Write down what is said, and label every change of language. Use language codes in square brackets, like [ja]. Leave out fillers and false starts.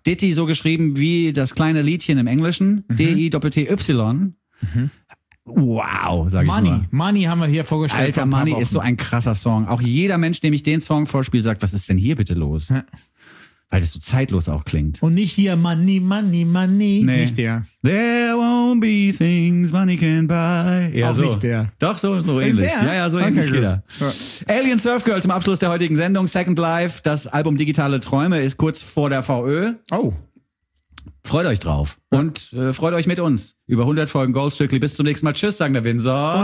[de] Ditty so geschrieben wie das kleine Liedchen im Englischen, D-I-T-T-Y. Mhm. Wow, sag Money. Ich nur. Money haben wir hier vorgestellt. Alter, Money ist so ein krasser Song. Auch jeder Mensch, dem ich den Song vorspiele, sagt, was ist denn hier bitte los? Ja. Weil das so zeitlos auch klingt. Und nicht hier Money, Money, Money. Nee. Nicht der. [en] There won't be things money can buy. [de] Ja, auch so. Nicht der. Doch, so ähnlich. Der? Ja, so okay, ähnlich wieder. Ja. Alien Surf Girl zum Abschluss der heutigen Sendung. Second Life, das Album Digitale Träume, ist kurz vor der VÖ. Oh. Freut euch drauf. Ja. Und freut euch mit uns über 100 Folgen Goldstückli. Bis zum nächsten Mal. Tschüss, sagen der Winsor.